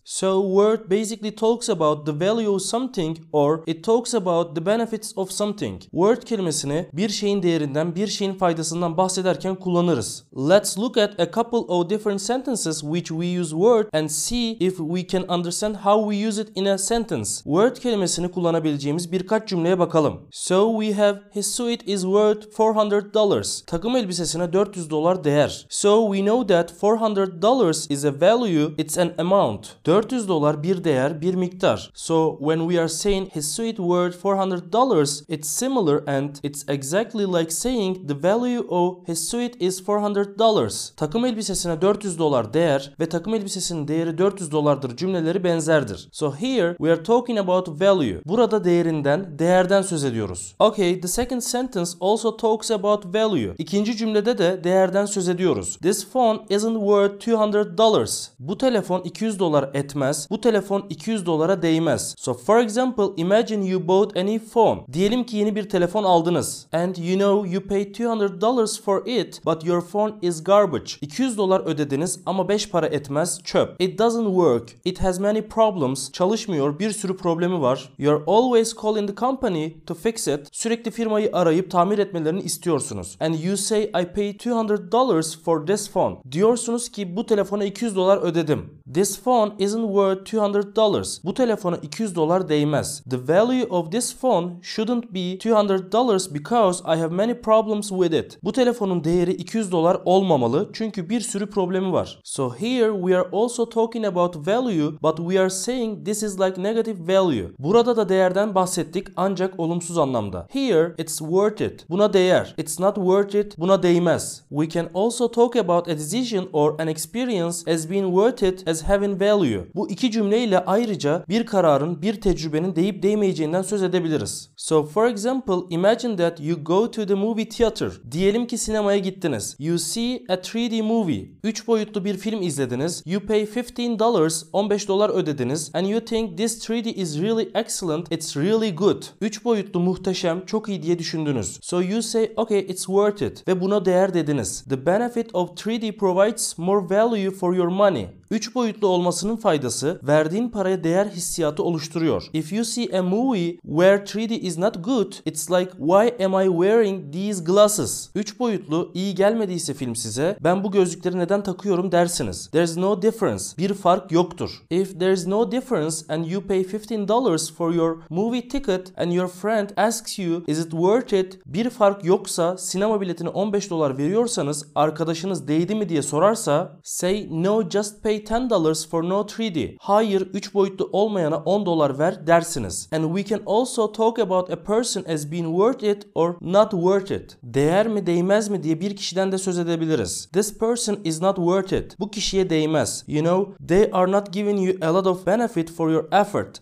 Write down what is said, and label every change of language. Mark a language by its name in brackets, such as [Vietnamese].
[English] So, Word basically talks about the value of something or it talks about the benefits of something. [Turkish] Word kelimesini bir şeyin değerinden, bir şeyin faydasından bahsederken kullanırız. [English] Let's look at a couple of different sentences which we use Word and see if we can understand how we use it in a sentence. [Turkish] Word kelimesini kullanabileceğimiz birkaç cümleye bakalım. [English] So, we have his suit is worth $400. [Turkish] Takım elbisesine $400 değer. [English] So we know that $400 is a value, it's an amount. [Turkish] $400 bir değer, bir miktar. [English] So when we are saying his suit worth $400, it's similar and it's exactly like saying the value of his suit is $400. [Turkish] Takım elbisesine $400 değer ve takım elbisesinin değeri $400'dır cümleleri benzerdir. [English] So here we are talking about value. [Turkish] Burada değerinden, değerden söz ediyoruz. [English] Okay, the second sentence also talks about value. [Turkish] İkinci cümlede de değerden söz ediyoruz. [English] This phone isn't worth $200. [Turkish] Bu telefon $200 etmez. Bu telefon $200'a değmez. [English] So for example, imagine you bought a new phone. [Turkish] Diyelim ki yeni bir telefon aldınız. [English] And you know you paid $200 for it, but your phone is garbage. [Turkish] $200 ödediniz ama 5 para etmez, çöp. [English] It doesn't work. It has many problems. [Turkish] Çalışmıyor, bir sürü problemi var. [English] You're always calling the company to fix it. [Turkish] Sürekli firmayı arayıp tamir etmeleri istiyorsunuz. [English] And you say I paid $200 for this phone. [Turkish] Diyorsunuz ki bu telefona $200 ödedim. [English] This phone isn't worth $200. [Turkish] Bu telefona $200 değmez. [English] The value of this phone shouldn't be $200 because I have many problems with it. [Turkish] Bu telefonun değeri $200 olmamalı çünkü bir sürü problemi var. [English] So here we are also talking about value but we are saying this is like negative value. [Turkish] Burada da değerden bahsettik ancak olumsuz anlamda. [English] Here it's worth it. [Turkish] Buna değer. [English] It's not worth it. [Turkish] Buna değmez. [English] We can also talk about a decision or an experience as being worth it as having value. [Turkish] Bu iki cümleyle ayrıca bir kararın, bir tecrübenin değip değmeyeceğinden söz edebiliriz. [English] So for example, imagine that you go to the movie theater. [Turkish] Diyelim ki sinemaya gittiniz. [English] You see a 3D movie. [Turkish] 3 boyutlu bir film izlediniz. [English] You pay $15, [Turkish] $15 ödediniz [English] and you think this 3D is really excellent. It's really good. [Turkish] 3 boyutlu muhteşem, çok iyi diye düşündünüz. [English] So you say, okay, it's worth it. [Turkish] Ve buna değer dediniz. [English] The benefit of 3D provides more value for your money. [Turkish] 3 boyutlu olmasının faydası, verdiğin paraya değer hissiyatı oluşturuyor. [English] If you see a movie where 3D is not good, it's like, why am I wearing these glasses? [Turkish] 3 boyutlu iyi gelmediyse film size, ben bu gözlükleri neden takıyorum dersiniz. [English] There's no difference. [Turkish] Bir fark yoktur. [English] If there's no difference and you pay $15 for your movie ticket and your friend asks you, is it worth it? [Turkish] Bir fark yoksa, sinema biletini $15 veriyorsanız, arkadaşınız değdi mi diye sorarsa, [English] say no, just pay $10 for no 3D. [Turkish] Hayır, 3 boyutlu olmayana $10 ver dersiniz. [English] And we can also talk about a person as being worth it or not worth it. [Turkish] Değer mi değmez mi diye bir kişiden de söz edebiliriz. [English] This person is not worth it. [Turkish] Bu kişiye değmez. [English] You know, they are not giving you a lot of benefit for your effort.